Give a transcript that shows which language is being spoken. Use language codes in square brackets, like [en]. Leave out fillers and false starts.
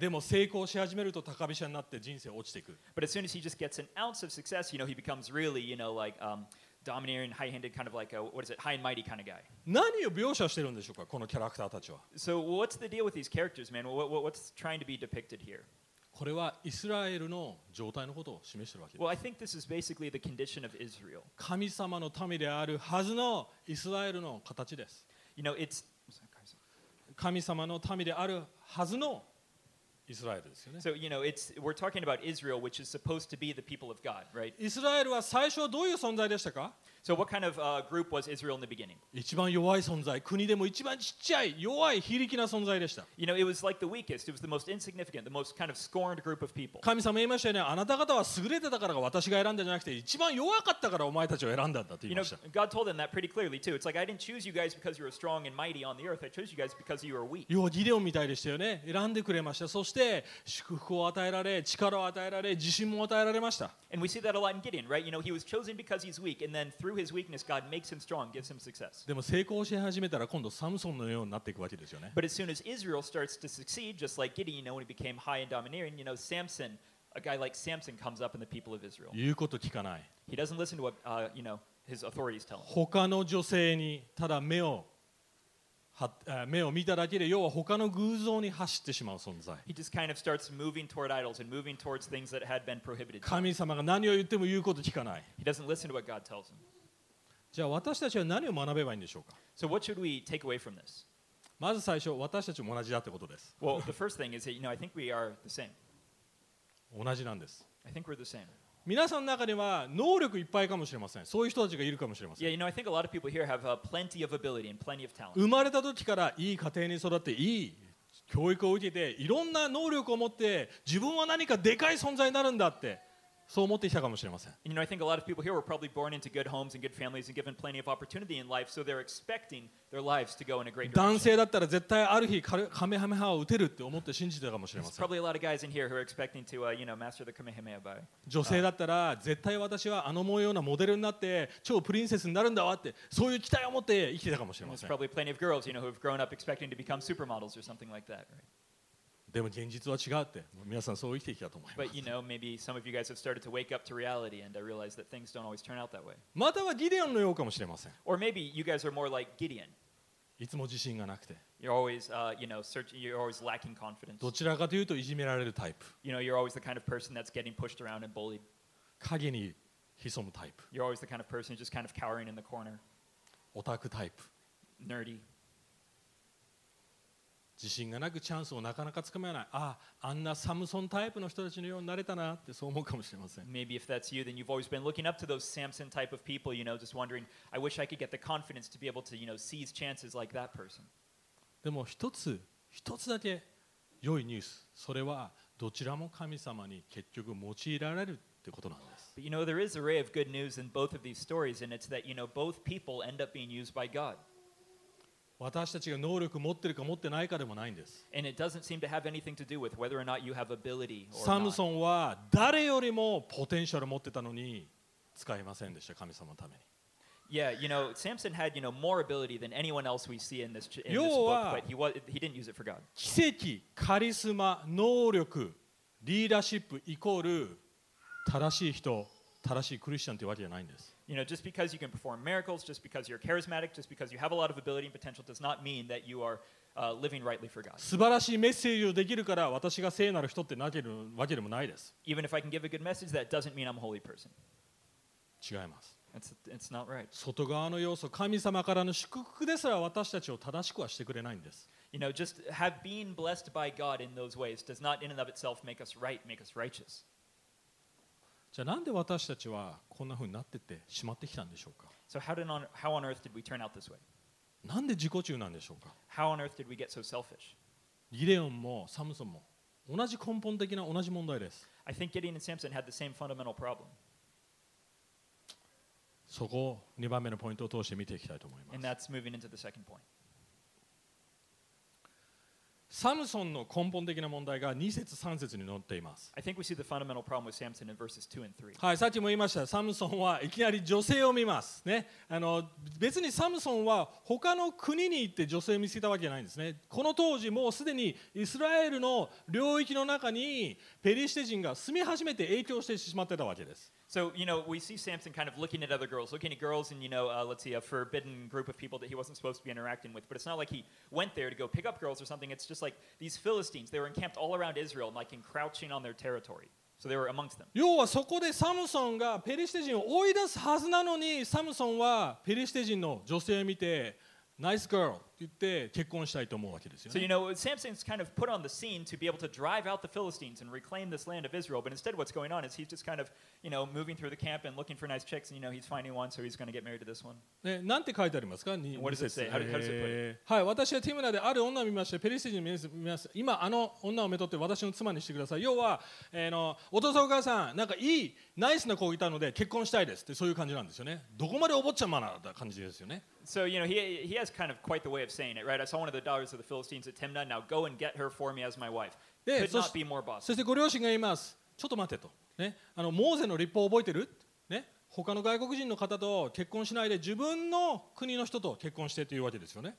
[ja] でも成功し始めると高飛車になって人生落ちていく。 [en] But as soon as he just gets an ounce of success, you know, he becomes really, you know, like, domineering, high-handed, kind of like a, what is it, high and mighty kind of guy. [ja] 何を描写してるんでしょうか、このキャラクターたちは。 [en] So what's the deal with these characters, man? What's trying to be depicted here? [ja] これはイスラエルの状態のことを示してるわけです。 [en] Well, I think this is basically the condition of Israel. [ja] 神様の民であるはずのイスラエルの形です。 [en] You know, it's... [ja] 神様の民であるはずのイスラエルですよね。 [en] So, you know, we're talking about Israel, which is supposed to be the people of God, right? [ja] イスラエルは最初どういう存在でしたか? [en] So, what kind of group was Israel in the beginning? [ja] 一番弱い存在、国でも一番ちっちゃい、弱い、非力な存在でした。 [en] You know, it was like the weakest, it was the most insignificant, the most kind of scorned group of people. [ja] 神様言いましたよね、あなた方は優れてたからが私が選んだじゃなくて、一番弱かったからお前たちを選んだんだと言いました。 [en] You know, God told them that pretty clearly too. It's like, I didn't choose you guys because you were strong and mighty on the earth, I chose you guys because you were weak. [ja] ようギデオンみたいでしたよね、選んでくれました。そして祝福を与えられ、力を与えられ、自信も与えられました。 [en] And we see that a lot in Gideon, right? You know, he was chosen because he's weak, and then through his weakness, God makes him strong, gives him success. [ja] でも成功し始めたら今度サムソンのようになっていくわけですよね。 [en] But as soon as Israel starts to succeed, just like Gideon, you know, when he became high and domineering, you know, Samson, a guy like Samson comes up in the people of Israel. [ja] 言うこと聞かない。 [en] He doesn't listen to what, you know, his authorities tell him. [ja] 他の女性にただ目を見ただけで要は他の偶像に走ってしまう存在。 [en] He just kind of starts moving toward idols and moving towards things that had been prohibited. [ja] 神様が何を言っても言うこと聞かない。 [en] He doesn't listen to what God tells him. [ja] じゃあ私たちは何を学べばいいんでしょうか。 [en] So what should we take away from this? [ja] まず最初、私たちも同じだってことです。 [en] Well, the first thing is that, you know, I think we are the same. [ja] 同じなんです。 [en] I think we're the same. [ja] 皆さんの中には能力いっぱいかもしれません。そういう人たちがいるかもしれません。 [en] Yeah, you know, I think a lot of people here have plenty of ability and plenty of talent. [ja] 生まれた時からいい家庭に育っていい教育を受けて、いろんな能力を持って、自分は何かでかい存在になるんだって、そう思ってきたかもしれません。 [en] You know, I think a lot of people here were probably born into good homes and good families and given plenty of opportunity in life, so they're expecting their lives to go in a great direction. [ja] 男性だったら絶対ある日カメハメハを打てるって思って信じてたかもしれません。 [en] There's probably a lot of guys in here who are expecting to, you know, master the Kamehameha by. [ja] 女性だったら絶対私はあの模様なモデルになって超プリンセスになるんだわってそういう期待を持って生きてたかもしれません。 [en] There's probably plenty of girls, you know, who've grown up expecting to become supermodels or something like that, right? [ja] でも現実は違うって、皆さんそう生きてきたと思います。 [en] But you know, maybe some of you guys have started to wake up to reality and realize that things don't always turn out that way. [ja] またはギデオンのようかもしれません。 [en] Or maybe you guys are more like Gideon. [ja] いつも自信がなくて。 [en] You're always, you know, searching. You're always lacking confidence. [ja] どちらかというといじめられるタイプ。 [en] You know, you're always the kind of person that's getting pushed around and bullied. [ja] 影に潜むタイプ。 [en] You're always the kind of person just kind of cowering in the corner. [ja] オタクタイプ。 [en] Nerdy. [ja] 自信がなくチャンスをなかなかつかめない。あんなサムソンタイプの人たちのようになれたなってそう思うかもしれません。 [en] Maybe if that's you, then you've always been looking up to those Samson type of people, you know, just wondering, I wish I could get the confidence to be able to, you know, seize chances like that person. [ja] でも一つだけ良いニュース。それはどちらも神様に結局用いられるということなんです。 [en] But you know, there is a ray of good news in both of these stories, and it's that, you know, both people end up being used by God. [ja] 私たちが能力を持ってるか持ってないかでもないんです。 [en] And it doesn't seem to have anything to do with whether or not you have ability or not. [ja] サムソンは誰よりもポテンシャルを持ってたのに使えませんでした、神様のために。 [en] Yeah, you know, Samson had, you know, more ability than anyone else we see in this, in this book, but he didn't use it for God. [ja] 奇跡、カリスマ、能力、リーダーシップイコール正しい人、正しいクリスチャンというわけじゃないんです。 [en] You know, just because you can perform miracles, just because you're charismatic, just because you have a lot of ability and potential does not mean that you are living rightly for God. [ja] 素晴らしいメッセージをできるから私が聖なる人ってなけるわけでもないです。 [en] Even if I can give a good message, that doesn't mean I'm a holy person. [ja] 違います。 [en] It's not right. [ja] 外側の要素、神様からの祝福ですら私たちを正しくはしてくれないんです。 [en] You know, just have been blessed by God in those ways does not in and of itself make us right, make us righteous. [ja] じゃあなんで私たちはこんな風になっててしまってきたんでしょうか。 [en] So how on earth did we turn out this way? [ja] なんで自己中なんでしょうか。 [en] How on earth did we get so selfish? [ja] ギデオンもサムソンも同じ根本的な同じ問題です。 [en] I think Gideon and Samson had the same fundamental problem. [ja] そこを2番目のポイントを通して見ていきたいと思います。 [en] And that's moving into the second point. [ja] サムソンの根本的な問題が2節3節に載っています。 [en] I think we see the fundamental problem with Samson in verses 2 and 3. [ja] はい、さっきも言いました。サムソンはいきなり女性を見ます。ね、別にサムソンは他の国に行って女性を見つけたわけじゃないんですね。この当時もうすでにイスラエルの領域の中にペリシテ人が住み始めて影響してしまってたわけです。 [en] So, you know, we see Samson kind of looking at other girls, looking at girls and, you know, let's see, a forbidden group of people that he wasn't supposed to be interacting with. But it's not like he went there to go pick up girls or something. It's just like these Philistines, they were encamped all around Israel, like encroaching on their territory. So they were amongst them. [ja] 要はそこでサムソンがペリシテ人を追い出すはずなのに、サムソンはペリシテ人の女性を見て、 [en] Nice girl [ja] って言って結婚したいと思うわけですよね。 [en] So, you know, Samson's kind of put on the scene to be able to drive out the Philistines and reclaim this land of Israel. But instead, what's going on is he's just kind of, you know, moving through the camp and looking for nice chicks. And, you know, he's finding one, so he's going to get married to this one. [ja] なんて書いてありますか [en] What does it say? How does it put it? [ja] はい、私はティムナである女を見ました。ペリシテ人を見ました。今、あの女をめとって私の妻にしてください。要は、お父さんお母さん、なんかいい、ナイスな子がいたので結婚したいですって、そういう感じなんですよね。どこまでお坊ちゃまな感じですよね。 [en] So, you know, he has kind of quite the way of saying it, right? I saw one of the daughters of the Philistines at Timnah. Now go and get her for me as my wife. Could not be more bossy. [ja] そしてご両親が言います。ちょっと待ってと。ね、モーゼの律法覚えてる？ね、他の外国人の方と結婚しないで自分の国の人と結婚してというわけですよね。